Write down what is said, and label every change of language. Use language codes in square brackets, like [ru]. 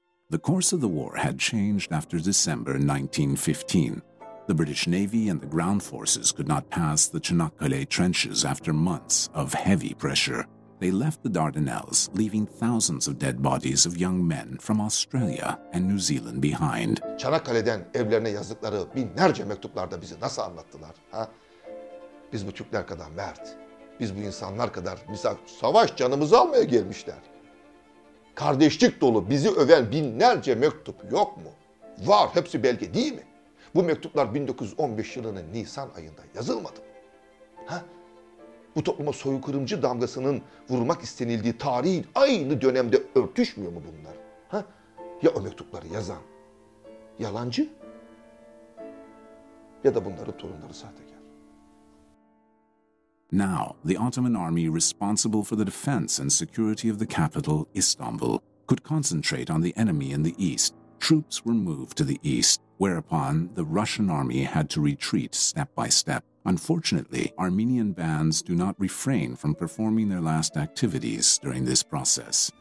[en] The course of the war had changed after December 1915. The British Navy and the ground forces could not pass the Çanakkale trenches after months of heavy pressure. They left the Dardanelles, leaving thousands of dead bodies of young men from Australia and New Zealand behind. [tr] Çanakkale'den evlerine yazdıkları binlerce mektuplarda bizi nasıl anlattılar? Ha? Biz bu Türkler kadar mert, biz bu insanlar kadar savaş canımızı almaya gelmişler. Kardeşlik dolu bizi öven binlerce mektup yok mu? Var, hepsi belge değil mi? Bu mektuplar 1915 yılının Nisan ayında yazılmadı. Ha? Bu topluma soykırımcı damgasının vurmak istenildiği tarihin aynı dönemde örtüşmüyor mu bunlar? Ha? Ya o mektupları yazan yalancı ya da bunların torunları sahtekar. [en] Now, the Ottoman army responsible for the defense and security of the capital, Istanbul, could concentrate on the enemy in the east. Troops were moved to the east, whereupon the Russian army had to retreat step by step. Unfortunately, Armenian bands do not refrain from performing their last activities during this process.